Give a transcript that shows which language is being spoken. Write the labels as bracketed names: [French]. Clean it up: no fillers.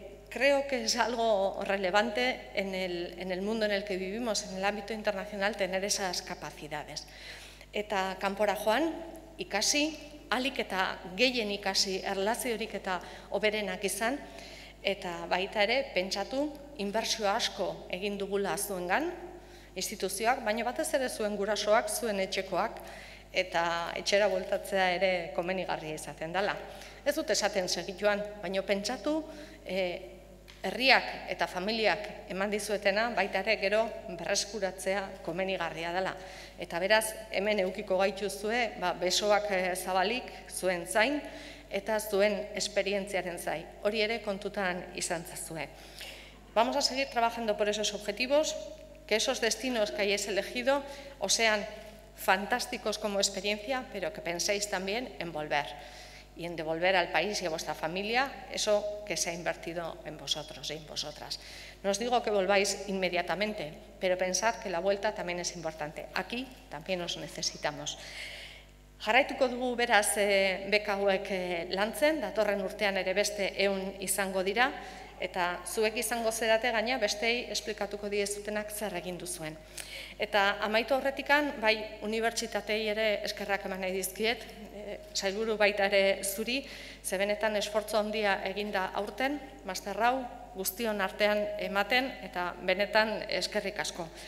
[Spanish] Creo que es algo relevante en el mundo en el que vivimos, en el ámbito internacional, tener esas capacidades. [Basque] Eta kanpora joan, ikasi, alik eta gehien ikasi, erlaziorik eta oberenak izan, eta baita ere, pentsatu, inbertsio asko egin dugula zuengan, instituzioak, baina batez ere zuen gurasoak, zuen etxekoak, eta etxera bueltatzea ere komenigarria izaten dela. Ez dut esaten segituan, baina pentsatu, herriak eta familiak eman dizuetena, baita ere gero berreskuratzea komenigarria dela. Eta beraz, hemen eukiko gaituzue, besoak zabalik, zuen zain, eta zuen esperientziaren zain. Hori ere kontutan izan zazue. [Spanish] Vamos a seguir trabajando por esos objetivos, que esos destinos que hayáis elegido os sean fantásticos como experiencia, pero que penséis también en volver. Y en devolver al país y a vuestra familia eso que se ha invertido en vosotros y en vosotras. No os digo que volváis inmediatamente, pero pensad que la vuelta también es importante. Aquí también os necesitamos. [Basque] Jarraituko dugu beraz beka hauek lantzen, datorren urtean ere beste 100 izango dira, eta zuek izango zerate gaina bestei esplikatuko diezutenak zer egin duzuen. Eta amaitu horretikan, bai, unibertsitatei ere eskerrak eman nahi dizkiet, sailburu baita ere zuri, ze benetan esfortzu handia eginda aurten, masterrau, guztion artean ematen, eta benetan eskerrik asko.